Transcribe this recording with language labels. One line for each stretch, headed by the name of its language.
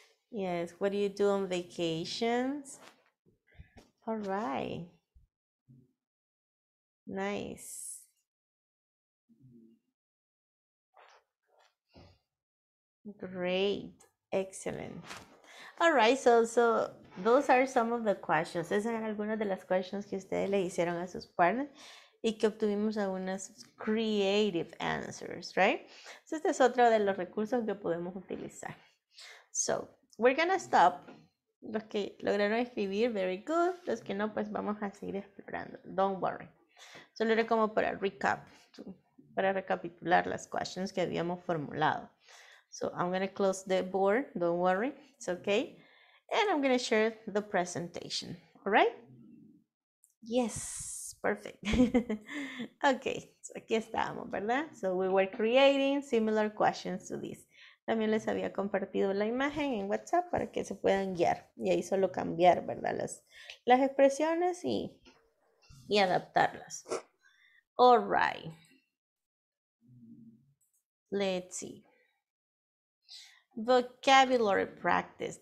English: Yes, what do you do on vacations? All right. Nice. Great, excellent. All right, so those are some of the questions.
Spanish: Esas eran algunas de las questions que ustedes le hicieron a sus partners y que obtuvimos algunas creative answers, right? So este es otro de los recursos que podemos utilizar.
English: So we're gonna stop.
Spanish: Los que lograron escribir,
English: very good.
Spanish: Los que no, pues vamos a seguir explorando.
English: Don't worry.
Spanish: Solo era como para recap, para recapitular las questions que habíamos formulado.
English: So I'm going to close the board, don't worry, it's okay. And I'm going to share the presentation, all right? Yes, perfect.
Spanish: Okay, so aquí estamos, ¿verdad?
English: So we were creating similar questions to this.
Spanish: También les había compartido la imagen en WhatsApp para que se puedan guiar. Y ahí solo cambiar, ¿verdad? Las expresiones y adaptarlas.
English: All right. Let's see. Vocabulary practice.